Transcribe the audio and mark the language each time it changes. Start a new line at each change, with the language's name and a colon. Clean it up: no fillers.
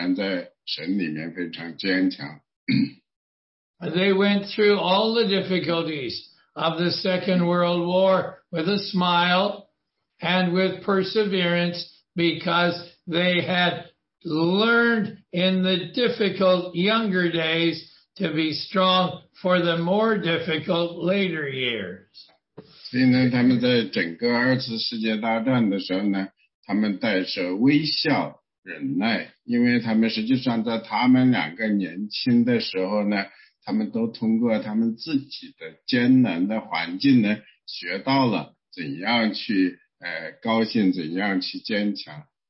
Chinese: 所以呢，不管世界上发生了什么事情，就算是发生了战争，他们仍然在神里面非常坚强。
English: They went through all the difficulties of the Second World War with a smile and with perseverance, because they had learned in the difficult younger days to be strong for the more difficult later years.
Chinese: 所以呢,他们在整个二次世界大战的时候呢,他们带着微笑忍耐,因为他们实际上在他们两个年轻的时候呢,他们都通过他们自己的艰难的环境呢,学到了怎样去 高兴怎样去坚强?